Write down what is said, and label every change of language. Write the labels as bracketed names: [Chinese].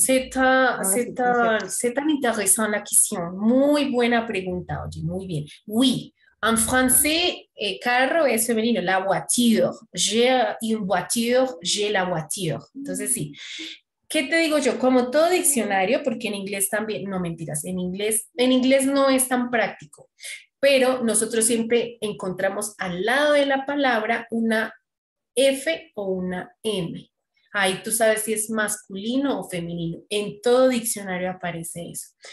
[French] C'est un intéressant la question. [Spanish] Muy buena pregunta, oye, muy bien. Oui, en francés, carro es femenino, [French] la voiture. J'ai une voiture, j'ai la voiture. [Spanish] Entonces, sí. ¿Qué te digo yo? Como todo diccionario, porque en inglés también, no mentiras, en inglés no es tan práctico, pero nosotros siempre encontramos al lado de la palabra una F o una M. Ahí tú sabes si es masculino o femenino. En todo diccionario aparece eso.